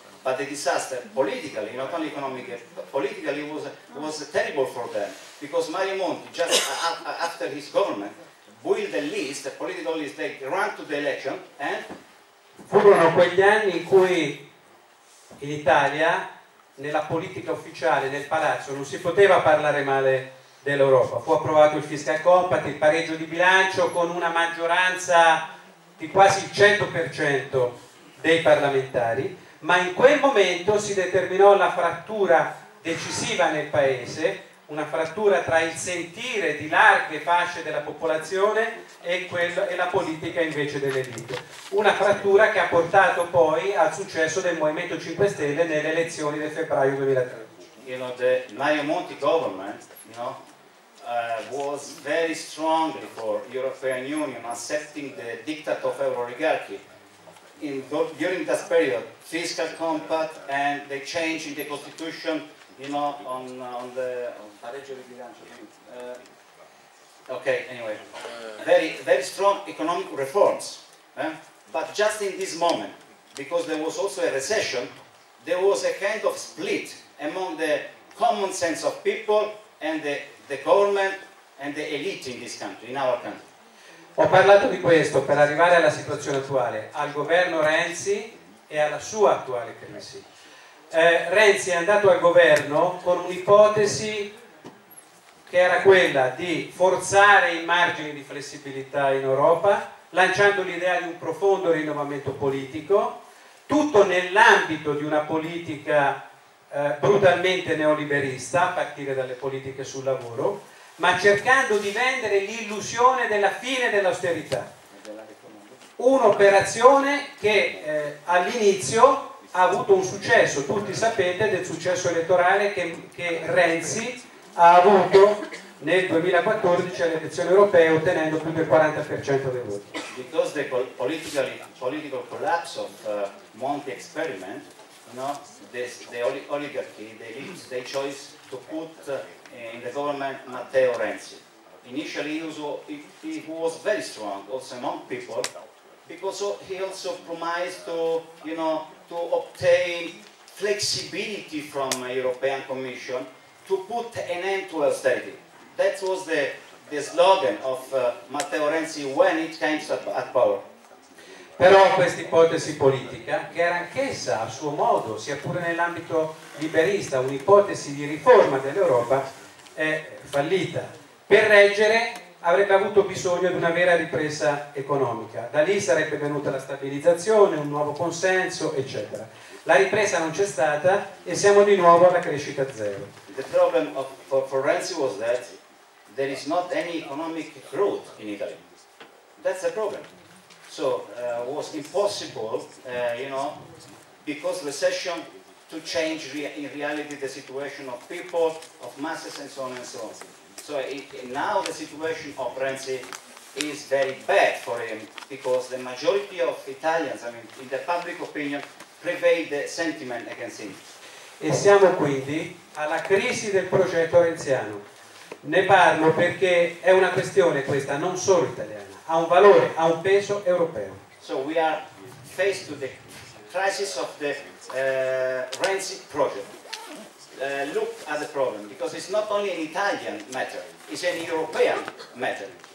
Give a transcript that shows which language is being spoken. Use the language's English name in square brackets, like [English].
[English] But the disaster, politically, not only economically, but politically, was terrible for them, because Mario Monti, just after his government, built a list, a political list, they ran to the election, and... [Italian] Furono quegli anni in cui in Italia, nella politica ufficiale, nel palazzo, non si poteva parlare male dell'Europa. Fu approvato il fiscal compact, il pareggio di bilancio con una maggioranza di quasi il 100% dei parlamentari, ma in quel momento si determinò la frattura decisiva nel paese, una frattura tra il sentire di larghe fasce della popolazione e la politica invece dell'elite. Una frattura che ha portato poi al successo del Movimento 5 Stelle nelle elezioni del febbraio 2013. [English] You know, the Mario Monti government, you know, was very strong for European Union accepting the diktat of euro-oligarchy. During this period, fiscal compact and the change in the constitution, you know, on [Italian] pareggio di bilancio. [English] Okay, anyway, very very strong economic reforms. But just in this moment, because there was also a recession, there was a kind of split among the common sense of people and the government and the elite in this country, in our country. [Italian] Ho parlato di questo per arrivare alla situazione attuale, al governo Renzi e alla sua attuale crisi. Renzi è andato al governo con un'ipotesi che era quella di forzare i margini di flessibilità in Europa, lanciando l'idea di un profondo rinnovamento politico, tutto nell'ambito di una politica brutalmente neoliberista, a partire dalle politiche sul lavoro, ma cercando di vendere l'illusione della fine dell'austerità. Un'operazione che all'inizio ha avuto un successo, tutti sapete del successo elettorale che Renzi ha avuto nel 2014 alle elezioni europee, ottenendo più del 40% dei voti. [English] Because the political collapse of Monti experiment, no, the oligarchy, they chose to put in the government Matteo Renzi. Initially he was very strong also among people, because he also promised to, you know, to obtain flexibility from the European Commission to put an end to austerity. That was the slogan of Matteo Renzi when it came at power. Però questa ipotesi politica, che era anch'essa a suo modo, sia pure nell'ambito liberista, un'ipotesi di riforma dell'Europa, è fallita. Per reggere avrebbe avuto bisogno di una vera ripresa economica, da lì sarebbe venuta la stabilizzazione, un nuovo consenso, eccetera. La ripresa non c'è stata e siamo di nuovo alla crescita zero. The problem for Renzi was that there is not any economic growth in Italy. That's the problem. So was impossible, you know, because recession, to change in reality the situation of people, of masses, and so on and so on. So now the situation of Renzi is very bad for him, because the majority of Italians, I mean, in the public opinion, prevail the sentiment against him. [Italian] E siamo quindi alla crisi del progetto renziano. Ne parlo perché è una questione questa, non solo italiana, ha un valore, ha un peso europeo. [English] So we are faced to the crisis of the Renzi project. Look at the problem, because it's not only an Italian matter, it's an European matter.